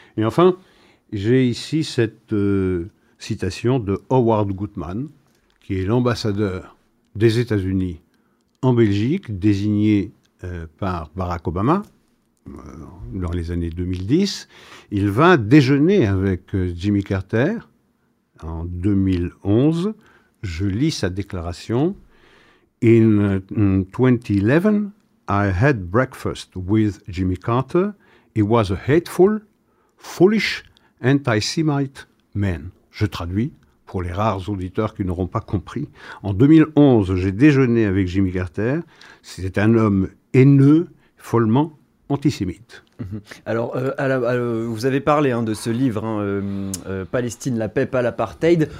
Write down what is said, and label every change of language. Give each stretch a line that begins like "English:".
French: Et enfin, j'ai ici cette citation de Howard Gutman, qui est l'ambassadeur des États-Unis en Belgique, désigné par Barack Obama, dans les années 2010, il va déjeuner avec Jimmy Carter en 2011. Je lis sa déclaration.
English: In 2011, I had breakfast with Jimmy Carter. He was a hateful, foolish, anti-Semite man.
French: Je traduis pour les rares auditeurs qui n'auront pas compris. En 2011, j'ai déjeuné avec Jimmy Carter. C'était un homme haineux, follement antisémite. Alors, vous avez parlé de ce livre, Palestine, la paix, pas l'apartheid.